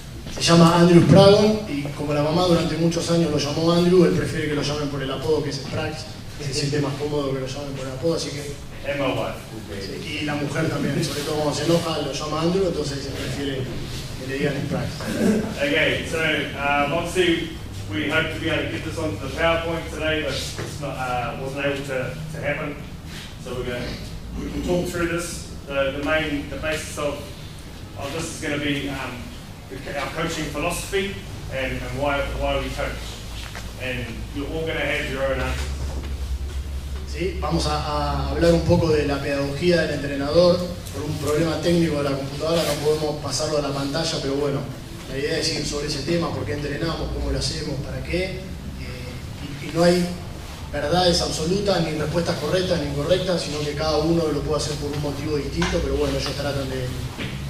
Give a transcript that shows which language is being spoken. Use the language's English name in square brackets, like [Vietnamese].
[Spanish] Se llama Andrew Spragon y como la mamá durante muchos años lo llamó Andrew, él prefiere que lo llamen por el apodo que es Sprags, se siente más cómodo que lo llamen por el apodo, así que... [English] Okay. [Spanish] Y la mujer también, sobre todo cuando se enoja, lo llama Andrew, entonces se prefiere que le digan Sprags. [English] Okay, so obviously we hope to be able to get this onto the PowerPoint today, but it's not, wasn't able to happen, so we can talk through this, the basis of... Oh, this is going to be our coaching philosophy and why we coach. And you're all going to have your own answers. [Spanish] Sí, vamos a hablar un poco de la pedagogía del entrenador. Por un problema técnico de la computadora no podemos pasarlo a la pantalla, pero bueno, la idea es ir sobre ese tema, por qué entrenamos, cómo lo hacemos, para qué. Y no hay verdades absolutas, ni respuestas correctas, ni incorrectas, sino que cada uno lo puede hacer por un motivo distinto, pero bueno, ellos tratan de...